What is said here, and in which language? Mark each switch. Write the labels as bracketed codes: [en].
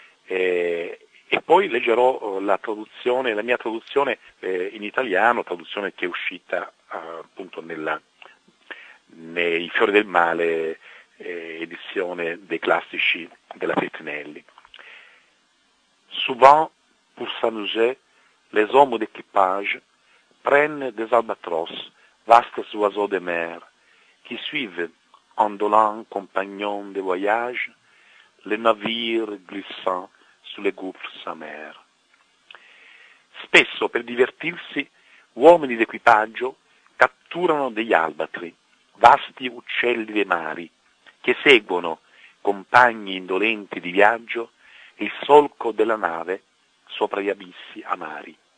[it] E poi leggerò la traduzione, la mia traduzione in italiano, traduzione che è uscita appunto nei Fiori del Male, edizione dei classici della Feltrinelli. [fr] Souvent, pour s'amuser, les hommes d'équipage prennent des albatros, vastes oiseaux de mer, qui suivent, ondulant compagnons de voyage, les navires glissant sous les gouffres amers. [it] Spesso, per divertirsi, uomini d'equipaggio catturano degli albatri, vasti uccelli dei mari, che seguono, compagni indolenti di viaggio, il solco della nave sopra gli abissi amari.